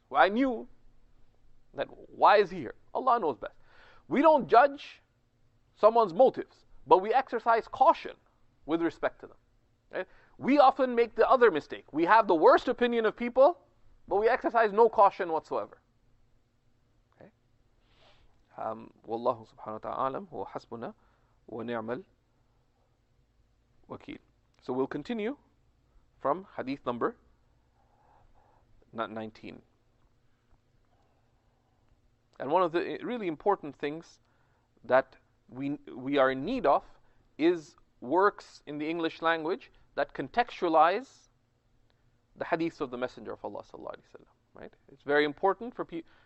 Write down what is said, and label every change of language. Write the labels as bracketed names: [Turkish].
[English] I knew that, why is he here? Allah knows best. We don't judge someone's motives, but we exercise caution with respect to them. Right? We often make the other mistake. We have the worst opinion of people, but we exercise no caution whatsoever. [Arabic] والله سبحانه وتعالى أعلم هو حسبنا ونعم الوكيل. [English] So we'll continue from hadith number 19. And one of the really important things that we are in need of is works in the English language that contextualize the hadith of the Messenger of Allah sallallahu alaihi wasallam. Right? It's very important for people